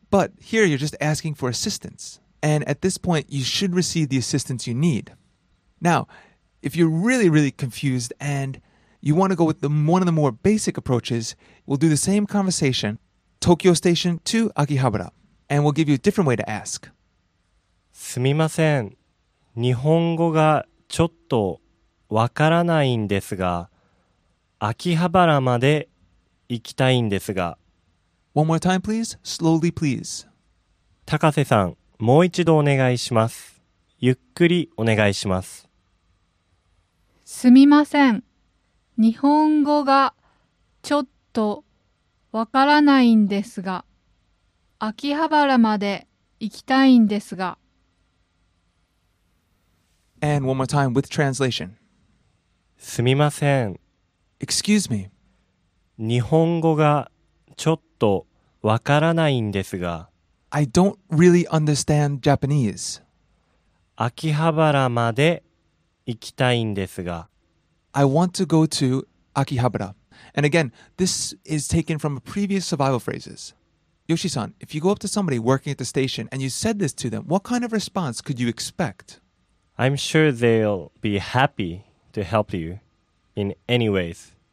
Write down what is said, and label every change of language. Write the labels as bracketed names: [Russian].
[English] But here you're just asking for assistance. And at this point, you should receive the assistance you need. Now, if you're really, really confused and you want to go with one of the more basic approaches, we'll do the same conversation, Tokyo Station to Akihabara, and we'll give you a different way to ask. [Japanese] すみません。日本語がちょっとわからないんですが、秋葉原まで行きたいんですが。 [English] One more time, please. Slowly, please. [Japanese] 高瀬さん。もう一度お願いします。ゆっくりお願いします。すみません。日本語がちょっとわからないんですが、秋葉原まで行きたいんですが。 [English] And one more time with translation. [Japanese] すみません。 [English] Excuse me. [Japanese] 日本語がちょっとわからないんですが。 [English] I don't really understand Japanese. [Japanese] 秋葉原まで行きたいんですが。 [English] I want to go to Akihabara. And again, this is taken from a previous survival phrases. Yoshi-san, if you go up to somebody working at the station and you said this to them, what kind of response could you expect? I'm sure they'll be happy to help you in any ways.